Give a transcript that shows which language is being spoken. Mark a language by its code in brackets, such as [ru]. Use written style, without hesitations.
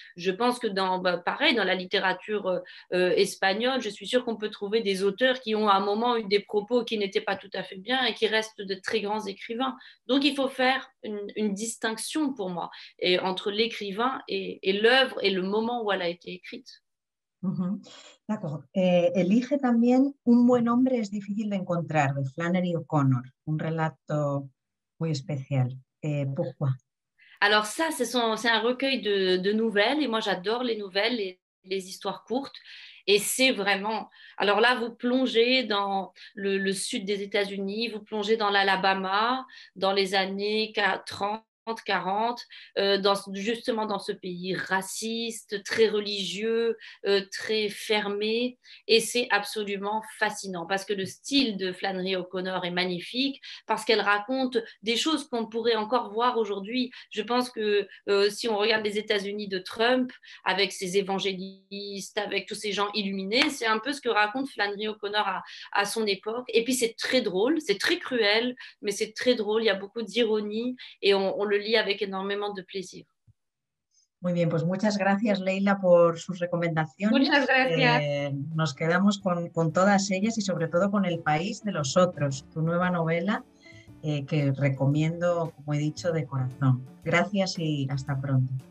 [fr] Je pense que pareil, dans la littérature espagnole, je suis sûre qu'on peut trouver des auteurs qui ont à un moment eu des propos qui n'étaient pas tout à fait bien et qui restent de très grands écrivains. Donc il faut faire une distinction pour moi et entre l'écrivain et l'œuvre et le moment où elle a été écrite. D'accord. [es] Elige también Un buen hombre es difícil de encontrar, de Flannery O'Connor, un relato muy especial. [fr] Pourquoi? Alors ça, c'est un recueil de nouvelles, et moi j'adore les nouvelles et les histoires courtes. Et c'est vraiment. Alors là, vous plongez dans le sud des États-Unis, vous plongez dans l'Alabama, dans les années 30, 40, justement dans ce pays raciste, très religieux, très fermé. Et c'est absolument fascinant parce que le style de Flannery O'Connor est magnifique, parce qu'elle raconte des choses qu'on pourrait encore voir aujourd'hui. Je pense que si on regarde les États-Unis de Trump, avec ses évangélistes, avec tous ces gens illuminés, c'est un peu ce que raconte Flannery O'Connor à son époque. Et puis c'est très drôle, c'est très cruel, mais c'est très drôle. Il y a beaucoup d'ironie et on le lit avec énormément de plaisir. [es] Muy bien, pues muchas gracias Leila por sus Muchas recomendaciones. gracias. Nos quedamos con todas ellas y sobre todo con El País de los Otros, tu nueva novela que recomiendo, como he dicho, de corazón. Gracias y hasta pronto.